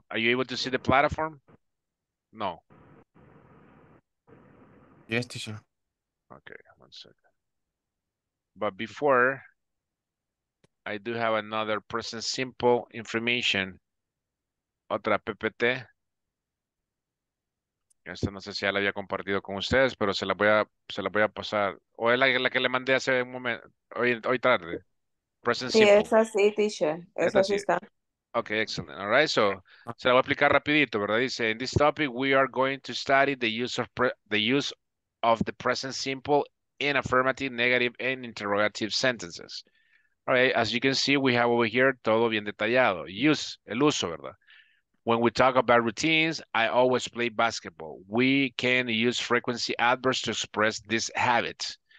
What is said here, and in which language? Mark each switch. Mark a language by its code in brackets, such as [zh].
[en] Are you able to see the platform? No. Yes, teacher. Okay, one second. But before, I do have another present simple information. [es] Otra PPT. Esta no sé si ya la había compartido con ustedes, pero se la voy a pasar. O es la que le mandé hace un momento, hoy tarde. Present simple. Sí, esa sí, teacher. Esa sí está. [en] Okay, excellent. All right, so [es] se la voy a explicar rapidito, ¿verdad? [en] Dice, in this topic, we are going to study the use of the present simple in affirmative, negative, and interrogative sentences. All right, as you can see, we have over here [es] todo bien detallado. [en] Use, [es] el uso, ¿verdad? [en] When we talk about routines, I always play basketball. We can use frequency adverbs to express this habit.